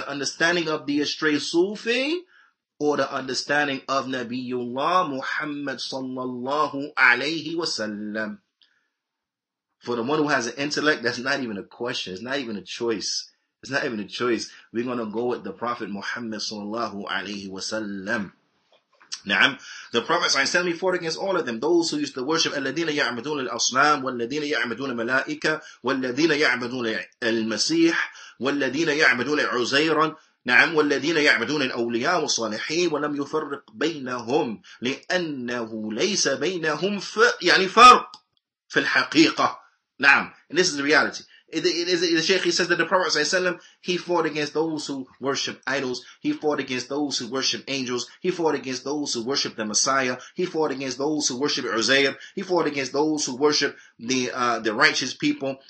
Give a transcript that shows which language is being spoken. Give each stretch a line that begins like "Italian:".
English: The understanding of the astray Sufi or the understanding of Nabiullah Muhammad sallallahu alayhi wa sallam? For the one who has an intellect, that's not even a question. It's not even a choice. It's not even a choice. We're going to go with the Prophet Muhammad sallallahu alayhi wa sallam. Naam. The Prophet ﷺ, he fought against all of them. Those who used to worship
Arabic: الَّذِينَ يَعْمَدُونَ الْأَصْنَامِ وَالَّذِينَ يَعْمَدُونَ الْمَلَائِكَ وَالَّذِينَ يَعْمَدُونَ الْمَسِيحِ وَالَّذِينَ يَعْمَدُونَ عُزَيْرًا نعم والذين يعبدون الأولياء والصالحين ولم يفرق بينهم لأنه ليس بينهم فرق في الحقيقة.
English: نعم. And this is the reality. The Shaykh, he says that the Prophet ﷺ, he fought against those who worship idols. He fought against those who worship angels. He fought against those who worship the Messiah. He fought against those who worship Uzair. He fought against those who worship the righteous people.